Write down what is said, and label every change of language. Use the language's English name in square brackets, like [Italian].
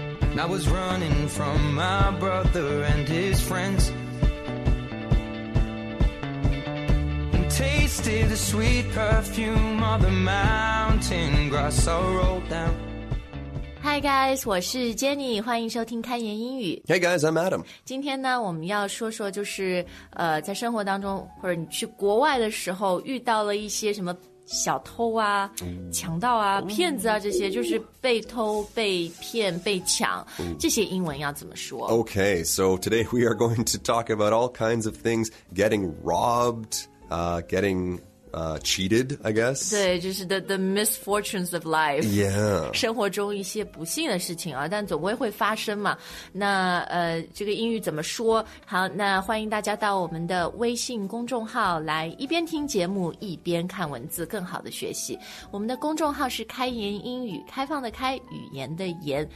[English] And I was running from my brother and his friends. And tasted the sweet perfume of the mountain grass I rolled down. Hi guys, [Chinese] 我是 Jenny, 欢迎收听开言英语。 [English] Hey guys, I'm Adam. [Chinese] 今天呢我们要说说就是在生活当中或者你去国外的时候遇到了一些什么小偷啊强盗啊骗子啊这些就是被偷被骗被抢这些英文要怎么说。 [English] Okay, so today we are going to talk about all kinds of things, getting robbed, getting... cheated, I guess. [Chinese] 对就是 [English] the misfortunes of life. Yeah. [Chinese] 生活中一些不幸的事情啊但总会发生嘛。那这个英语怎么说好那欢迎大家到我们的微信公众号来一边听节目一边看文字更好的学习。我们的公众号是开言英语开放的开语言的言。